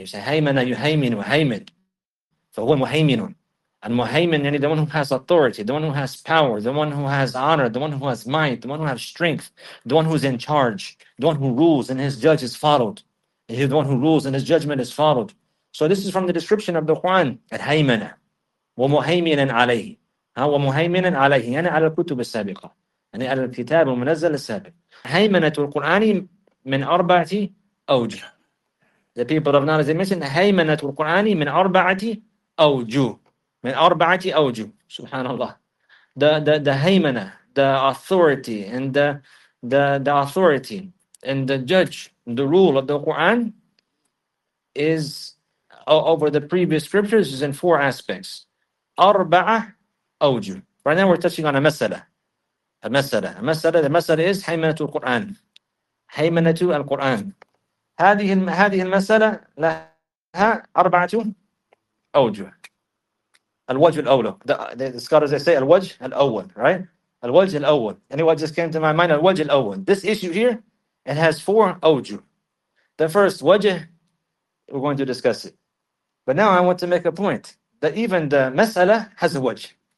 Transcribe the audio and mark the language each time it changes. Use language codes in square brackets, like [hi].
[en] You say, Haymana, you Haymin, Haymin. So who Muhaymin? Al-Muhaymin, yani the one who has authority, the one who has power, the one who has honor, the one who has might, the one who has strength, the one who's in charge, the one who rules and his judge is followed. And he's the one who rules and his judgment is followed. So this is from the description of the Quran, al-Haymana. [ar] وَمُهَيْمِنًا عَلَيْهِ وَمُهَيْمِنًا عَلَيْهِ يعني على الكتب السابقة يعني على الكتاب المنزل السابق هيمنة القرآن من أربعة أوجه. [en] The people of knowledge, they mentioned [ar] هيمنة القرآن من أربعة أوجه من أربعة أوجه. سبحان الله. [en] The هيمنة, the authority and the authority and the judge, the rule of the Quran is over the previous scriptures is in four aspects. [ar] أربعة أوجه. [en] Right now we're touching on a مسألة. A مسألة. A مسألة. [ar] The مسألة is هيمنة القرآن. هيمنة القرآن. هذه المسألة لها أربعة أوجه. الوجه الأول. [en] The scholars they say [ar] الوجه الأول, [en] right? [ar] الوجه الأول. [en] Anyone just came to my mind, [ar] الوجه الأول. [en] This issue here, it has four أوجه. The first وجه, we're going to discuss it. But now I want to make a point. That even the mas'ala has a wajh.